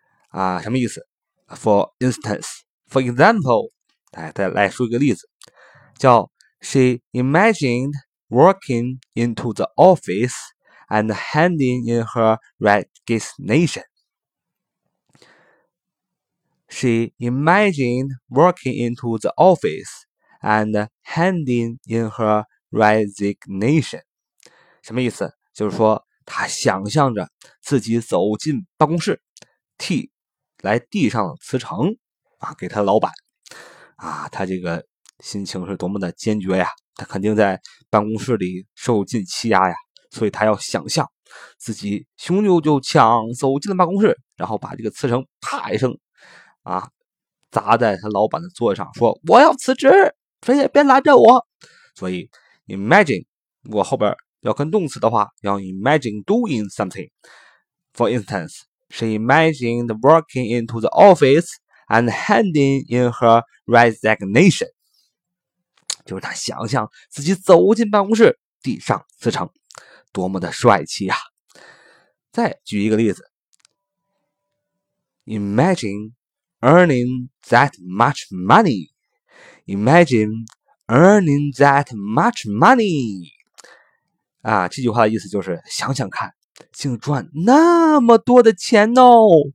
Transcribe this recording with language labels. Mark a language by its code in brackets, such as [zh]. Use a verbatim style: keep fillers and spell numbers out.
[en] 啊，什么意思 for instance for example 来再来说一个例子，叫 She imagined walking into the office and handing in her resignation. She imagined walking into the office and handing in her resignation. [zh] 什么意思？就是说她想象着自己走进办公室，替来递上辞呈啊，给她老板啊，她这个心情是多么的坚决呀！他肯定在办公室里受尽欺压呀，所以他要想象自己雄赳赳强走进了办公室，然后把这个辞呈啪一声啊砸在他老板的座位上，说我要辞职，谁也别拦着我。所以 imagine 我后边要跟动词的话，要 imagine doing something. [en] For instance, she imagined walking into the office and handing in her resignation. [zh] 就是他想象自己走进办公室递上辞呈，多么的帅气啊。再举一个例子， Imagine earning that much money Imagine earning that much money 啊，这句话的意思就是想想看竟赚那么多的钱哦，